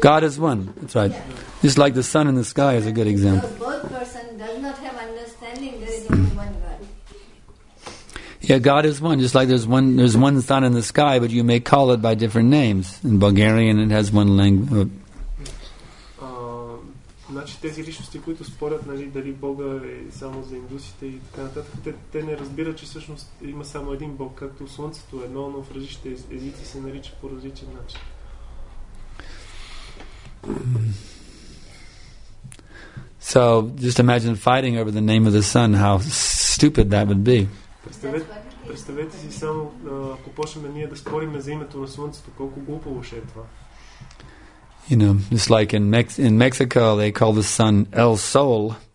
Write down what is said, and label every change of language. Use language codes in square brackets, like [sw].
[en] God is one. That's right. Yeah. Just like the sun in the sky is a good example. So both person does not have understanding there is only one God. Yeah, God is one. Just like there's one sun in the sky, but you may call it by different names. In Bulgarian it has one language. [bg] Значи тези личности, които спорят, нали, дали Бога е само за индусите и така нататък, те не разбират, че всъщност има само един Бог, както Слънцето е едно, но в различните езици се нарича по различен начин. [en] So, just imagine fighting over the name of the sun, how stupid that would be. [bg] Представете си само, ако почнем ние да спорим за името на Слънцето, колко глупаво ще е това. [en] You know, it's like in Mexico, they call the sun El Sol.